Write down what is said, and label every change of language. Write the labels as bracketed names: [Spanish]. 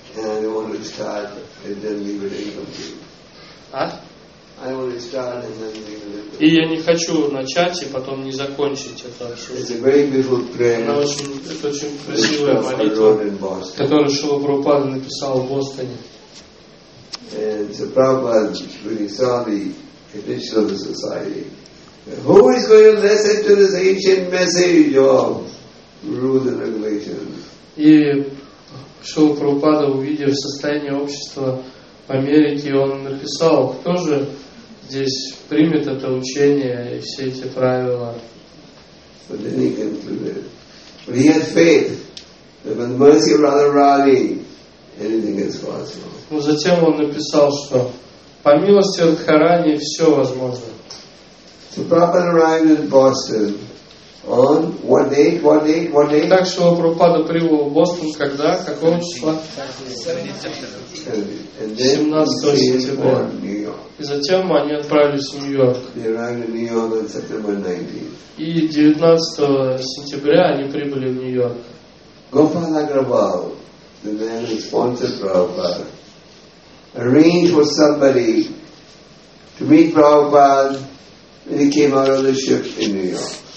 [Russian] И я не хочу начать и потом не закончить это обсуждение. Это очень красивая молитва, которую Шивапрупада написал в Бостоне. [English] And so Prabhupada, when he saw the condition of the society, who is going to listen to this ancient message of rules and regulations? [Russian] И Шрила Прабхупада, увидев состояние общества в Америке, он написал, кто же здесь примет это учение и все эти правила. [English] But then he concluded, but he had faith that with the mercy of Radha Rani, anything is possible. [Russian] Но затем он написал, что по милости Радхарани все возможно. [English] So Prabhupada arrived in Boston on what date, what date, what date? [Russian] Так что Прабхупада прибыл в Бостон когда? Какого числа? 17 сентября. И затем они отправились в Нью-Йорк. [English] They arrived in New York on September 19. [Russian] И 19 сентября они прибыли в Нью-Йорк. [English] Gopal Agrawal, the man who sponsored Prabhupada, arranged for somebody to meet Prabhupada when he came out of the ship in New York.